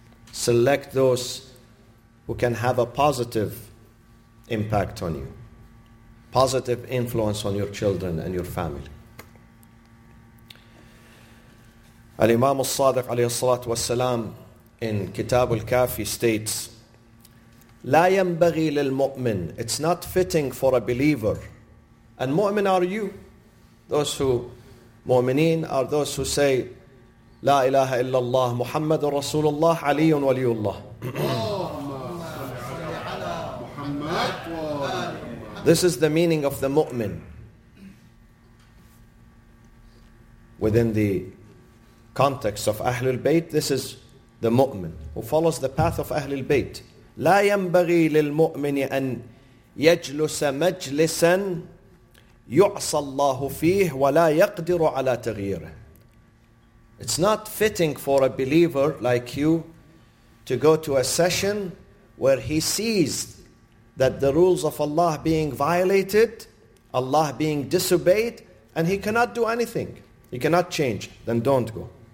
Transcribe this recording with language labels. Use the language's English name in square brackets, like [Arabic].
[English] Select those who can have a positive impact on you, positive influence on your children and your family. Al-Imam al-Sadiq alayhi salatu wasalam in Kitab al-Kafi states, [Arabic] لا ينبغي للمؤمن, [English] it's not fitting for a believer. And mu'min are you. Those who, mu'mineen are those who say, [Arabic] لا إله إلا الله محمد رسول الله علي ولي الله. [English] This is the meaning of the mu'min within the context of Ahlul Bayt. This is the mu'min who follows the path of Ahlul Bayt. [Arabic] لا ينبغي للمؤمن أن يجلس مجلسا يعصى الله فيه ولا يقدر على تغييره. [English] It's not fitting for a believer like you to go to a session where he sees that the rules of Allah being violated, Allah being disobeyed, and he cannot do anything. He cannot change. Then don't go.